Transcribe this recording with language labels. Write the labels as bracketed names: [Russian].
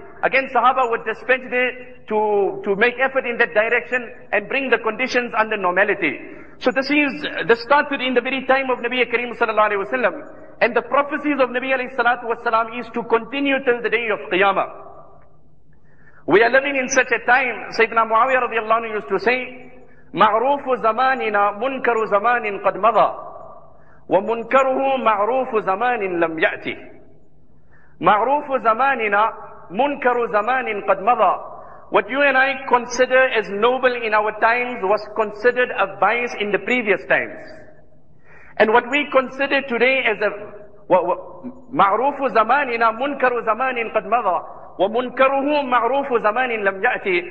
[English] Again, Sahaba would dispatch there to make effort in that direction and bring the conditions under normality. So this started in the very time of Nabi Karim sallallahu alayhi wa sallam. And the prophecies of Nabi alayhi salatu wa sallam is to continue till the day of Qiyamah. We are living in such a time. Sayyidina Muawiyah radiallahu anhu used to say, [Arabic] مَعْرُوفُ زَمَانِنَا مُنْكَرُ زَمَانٍ قَدْ مَضَى وَمُنْكَرُهُ مَعْرُوفُ زَمَانٍ لَمْ يَأْتِ. مَعْرُوفُ زَمَانِنَا مُنْكَرُ زَمَانٍ قَدْ مَضَى. [English] What you and I consider as noble in our times was considered a vice in the previous times. And what we consider today as a... [Arabic] مَعْرُوفُ زَمَانِنَا مُنْكَرُ زَمَانٍ قَدْ مَضَى وَمُنْكَرُهُ مَعْرُوفُ زَمَانٍ لَمْ يَأْتِ.